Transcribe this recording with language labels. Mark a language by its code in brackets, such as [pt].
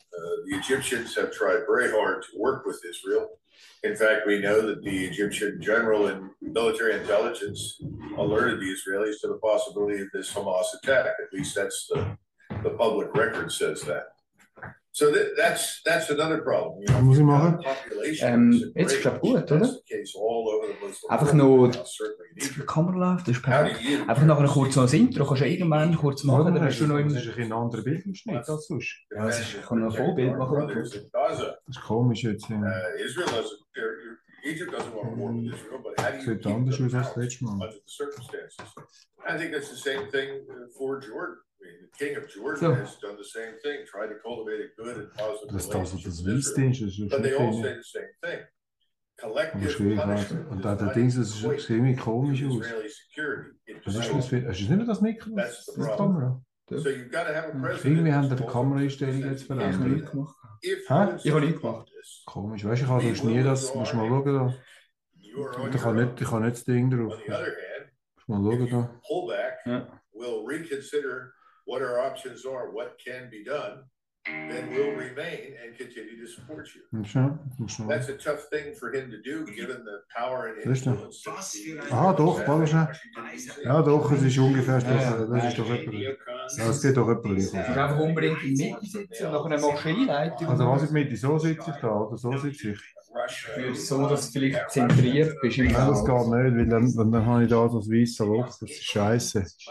[en] The Egyptians have tried very hard to work with Israel. In fact, we know that the Egyptian general and military intelligence alerted the Israelis to the possibility of this Hamas attack. At least that's the public record says that. So that's another problem. You know, [de] muss ich machen? Jetzt ist es gut, oder? Einfach noch, die Kamera läuft, das ist perfekt. Einfach noch ein kurzes Intro, kannst du irgendwann kurz machen, dann hast du noch immer... Das ist ein anderer Bildschnitt als sonst. Ja, es ist, ich kann noch ein Vollbild machen. Das ist komisch jetzt. [en] Israel has a barrier. Egypt doesn't want war with Israel, but how do you keep the power under the circumstances? I think that's the same thing for Jordan. I mean, the king of Jordan has done the same thing, tried to cultivate a good and positive relationship with Israel. But they all say the same thing. Collective punishment is not a point of Israeli security. That's the problem. So you've got to have a president. [de] Irgendwie haben wir die Kameraeinstellung jetzt verändert. Ich habe ihn gemacht. Komisch, weißt du, ich habe sonst nie das. Musst mal schauen da. Ich habe nicht das Ding drauf. Musst mal schauen da. [en] Pull back, we'll reconsider what our options are, what can be done, then we'll remain and continue to support you. That's a tough thing for him to do, given the power and influence. [de] Aha, doch, Balasche. Ja, doch, es ist ungefähr, das ist doch etwas. Ja, es geht doch etwas. Ich muss einfach unbedingt in die Mitte sitzen und noch eine Maschineleitung. Also was ist Mitte? So sitze ich da, oder so sitze ich? So, dass du vielleicht zentriert bist. Nein, das geht nicht, weil dann habe ich da so ein weißes Loch, das ist scheiße.